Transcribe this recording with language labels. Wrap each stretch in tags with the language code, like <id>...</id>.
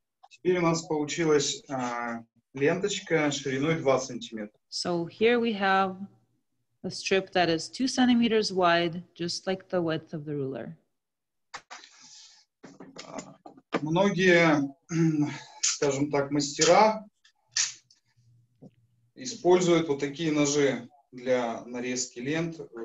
<ru>Теперь у нас получилась ленточка шириной 2 сантиметра.</ru> <en>So here we have a strip that is 2 centimeters wide, just like the width of the ruler.</en> <ru>Многие, скажем так, мастера используют вот такие ножи для нарезки лент.</ru>